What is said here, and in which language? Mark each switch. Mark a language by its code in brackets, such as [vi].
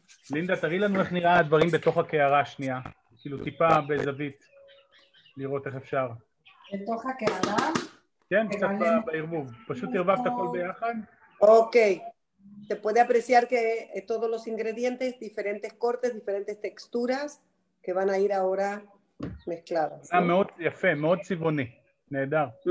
[he] לינדה, תראי לנו איך נראה הדברים בתוך הקערה השנייה, כאילו טיפה בזווית, לראות איך אפשר. בתוך הקערה? כן, קצת בערבוב, פשוט ערבבת הכל ביחד. [es] אוקיי, te puede apreciar que todos los ingredientes, diferentes cortes, diferentes texturas, que van a ir ahora mezcladas. [he] Ah, מאוד יפה, מאוד צבעוני, נהדר.